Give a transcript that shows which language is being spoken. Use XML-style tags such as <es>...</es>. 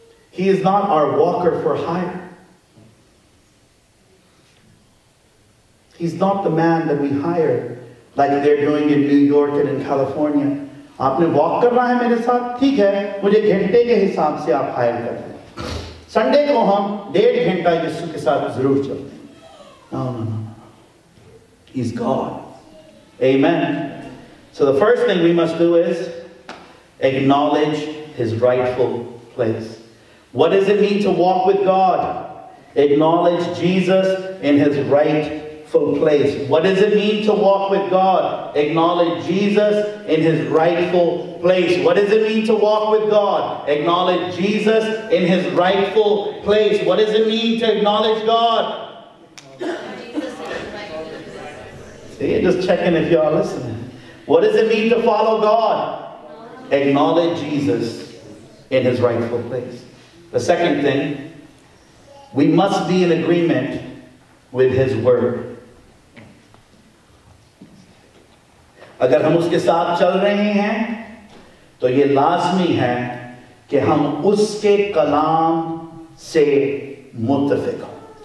<en>He is not our walker for hire. He's not the man that we hire like they're doing in New York and in California.</en> <hi>आपने walk करना है मेरे साथ, ठीक है, मुझे घंटे के हिसाब से आप हायर करते हैं. संडे को हम डेढ़ घंटा यीशु के साथ जरूर चलते हैं.</hi> <en>No. He's God. Amen. So the first thing we must do is acknowledge his rightful place. What does it mean to walk with God? Acknowledge Jesus in his rightful place. What does it mean to walk with God? Acknowledge Jesus in his rightful place. What does it mean to walk with God? Acknowledge Jesus in his rightful place. What does it mean to acknowledge God? See, just checking if you're listening. What does it mean to follow God? Acknowledge Jesus in his rightful place. The second thing, we must be in agreement with his word.</en> <hi>अगर हम उसके साथ चल रहे हैं तो ये लाजमी है कि हम उसके कलाम से मुत्तफिक हों.</hi>